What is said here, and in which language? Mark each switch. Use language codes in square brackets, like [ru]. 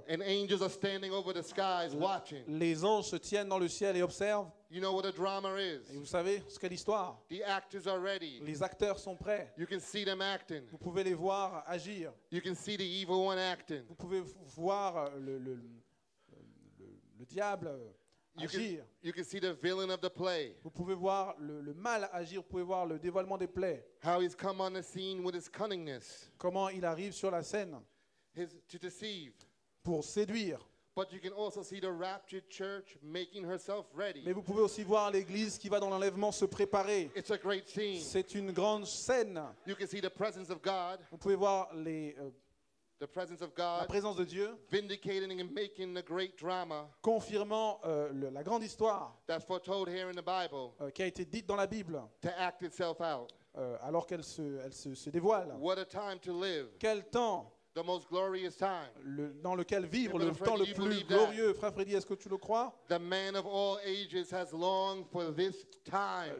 [en] And angels are standing over the skies watching. [fr] Les anges se tiennent dans le ciel et observent. [en] You know what a drama is. [fr] Et vous savez ce qu'est l'histoire. [en] The actors are ready. [fr] Les acteurs sont prêts. [en] You can see them acting. [fr] Vous pouvez les voir agir. [en] You can see the evil one acting. [fr] Vous pouvez voir le diable agir. [en] You can see the villain of the play. [fr] Vous pouvez voir le mal agir. Vous pouvez voir le dévoilement des plaies. [en] How he's come on the scene with his cunningness. [fr] Comment il arrive sur la scène. [en] To deceive. [fr] Pour séduire. [en] But you can also see the raptured church making herself ready. [fr] Mais vous pouvez aussi voir l'église qui va dans l'enlèvement se préparer. [en] It's a great scene. [fr] C'est une grande scène. [en] You can see the presence of God. [fr] Vous pouvez voir [en] the presence of God. [fr] La présence de Dieu. [en] Vindicating and making the great drama. [fr] Confirmant la grande histoire. [en] That's foretold here in the Bible. [fr] Qui a été dite dans la Bible. [en] To act itself out. [fr] Alors qu'elle se dévoile. [en] What a time to live. [fr] Quel temps. [en] The most glorious time. [fr] Dans lequel vivre, le temps le plus glorieux. [en] That? [fr] Frère Freddy, est-ce que tu le crois? [en] The man of all ages has longed for this time.